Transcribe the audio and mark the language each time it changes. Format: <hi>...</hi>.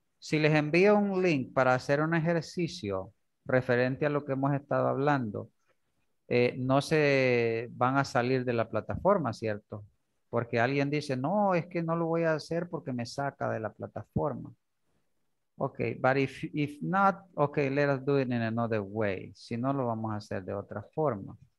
<es>Si les envío un link para hacer un ejercicio referente a lo que hemos estado hablando, no se van a salir de la plataforma, ¿cierto? Porque alguien dice, no, es que no lo voy a hacer porque me saca de la plataforma.</es> <en>Okay, but if not, okay, let us do it in another way.</en> <es>Si no, lo vamos a hacer de otra forma.</es>